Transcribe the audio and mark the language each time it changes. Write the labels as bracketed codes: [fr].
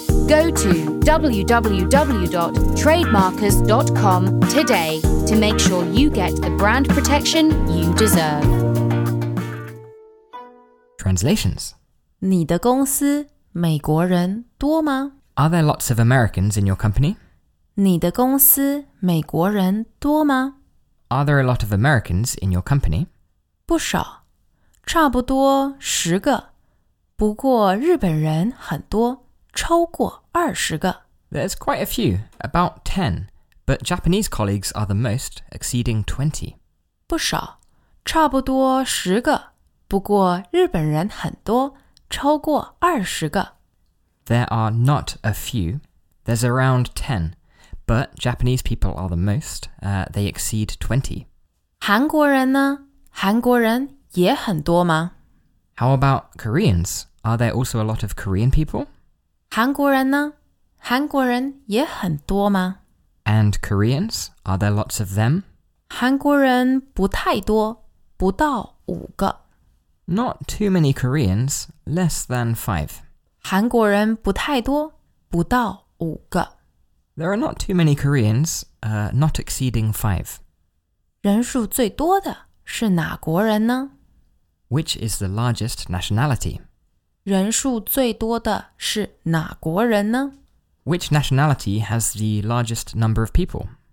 [en] Go to www.trademarkers.com today to make sure you get the brand protection you deserve. Translations. [zh] 你的公司美国人多吗? [en] Are there lots of Americans in your company? [zh] 你的公司美国人多吗? [en] Are there a lot of Americans in your company? [zh] 不少,差不多10个,不过日本人很多,超过20个。 [en] There's quite a few, about 10, but Japanese colleagues are the most, exceeding 20. [zh] 不少,差不多10个,不过日本人很多,超过20个。 [en] There are not a few, there's around 10. But Japanese people are the most, they exceed 20. [zh] 韩国人呢?韩国人也很多吗? [en] How about Koreans? Are there also a lot of Korean people? [zh] 韩国人呢?韩国人也很多吗? [en] And Koreans? Are there lots of them? [zh] 韩国人不太多,不到5个. [en] Not too many Koreans, less than 5. [zh] 韩国人不太多,不到5个. [en] There are not too many Koreans, not exceeding 5. [zh] 人数最多的是哪国人呢? [en] Which is the largest nationality? [zh] 人数最多的是哪国人呢? [en] Which nationality has the largest number of people?